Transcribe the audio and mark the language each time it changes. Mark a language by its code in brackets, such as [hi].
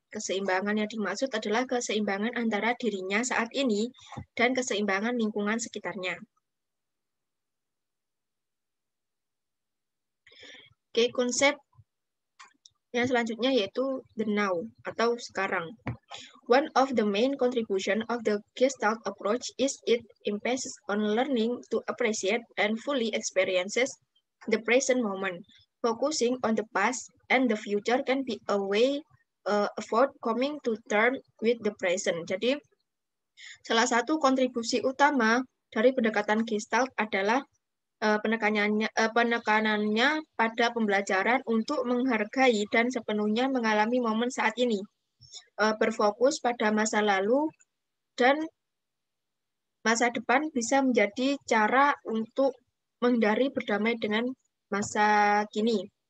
[id] Keseimbangan yang dimaksud adalah keseimbangan antara dirinya saat ini dan keseimbangan lingkungan sekitarnya. Oke, konsep yang selanjutnya yaitu the now atau sekarang. [en] One of the main contribution of the Gestalt approach is it emphasizes on learning to appreciate and fully experiences the present moment. Focusing on the past and the future can be a way of coming to terms with the present. [id] Jadi, salah satu kontribusi utama dari pendekatan Gestalt adalah penekanannya pada pembelajaran untuk menghargai dan sepenuhnya mengalami momen saat ini, berfokus pada masa lalu dan masa depan bisa menjadi cara untuk menghindari berdamai dengan masa kini.